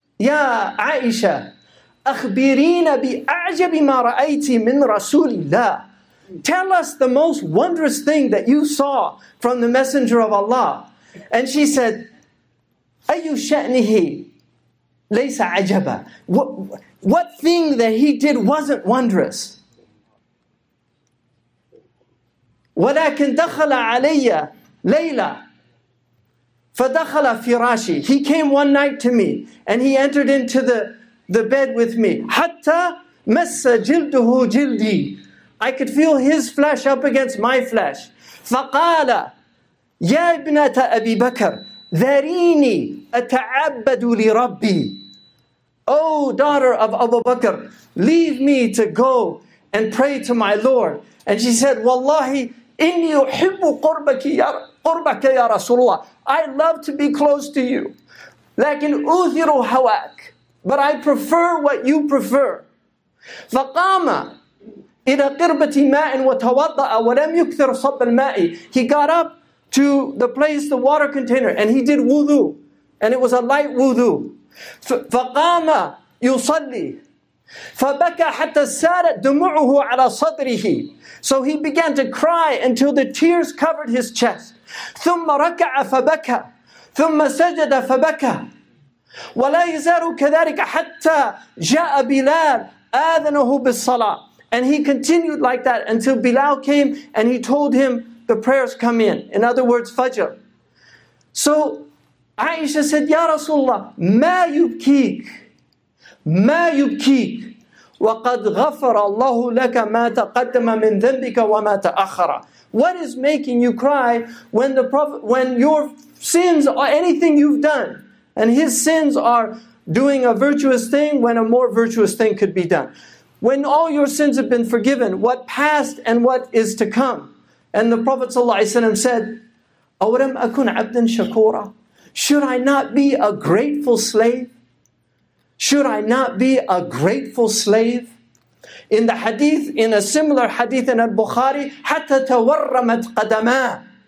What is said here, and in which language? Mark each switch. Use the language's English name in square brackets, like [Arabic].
[Arabic] يا عائشة أخبرينا بأعجب ما رأيت من رسول الله. [English] Tell us the most wondrous thing that you saw from the messenger of Allah. And she said, [Arabic] أي شأنه ليس عجبا. [English] What thing that he did wasn't wondrous. [Arabic] ولكن دخل علي ليلى فدخل فراشي. [English] He came one night to me and he entered into the bed with me. [Arabic] حتى مس جلده جلدي. [English] I could feel his flesh up against my flesh. [Arabic] فقال يا ابنة أبي بكر ذريني أتعبد لربي. [English] Oh daughter of Abu Bakr, leave me to go and pray to my Lord. And she said, Wallahi [Arabic] إني أحب قربك يا رسول الله. [English] I love to be close to you. [Arabic] لكن أثير هواك. [English] But I prefer what you prefer. [Arabic] فقام إلى قربة ماء وتوضأ ولم يكثر صب الماء. [English] He got up to the place, the water container, and he did wudu. And it was a light wudu. [Arabic] فقام يصلي. فبكى حتى سارت دموعه على صدره. [English] So he began to cry until the tears covered his chest. [Arabic] ثم ركع فبكى. ثم سجد فبكى. ولا يزال كذلك حتى جاء بلال آذنه بالصلاة. [English] And he continued like that until Bilal came and he told him the prayers come in. In other words, Fajr. So Aisha said, Ya Rasulullah, [Arabic] ما يبكيك؟ ما يبكيك؟ وقد غفر الله لك ما تقدم من ذنبك وما تأخر. [English] What is making you cry when the Prophet, when your sins or anything you've done, and his sins are doing a virtuous thing when a more virtuous thing could be done. When all your sins have been forgiven, what past and what is to come? And the Prophet ﷺ said, [Arabic] أَوَلَمْ أَكُنْ عَبْدًا شَكُورًا. [English] Should I not be a grateful slave? Should I not be a grateful slave? In the hadith, in a similar hadith in al-Bukhari, [Arabic] حَتَّى تَوَرَّمَتْ قَدَمَا.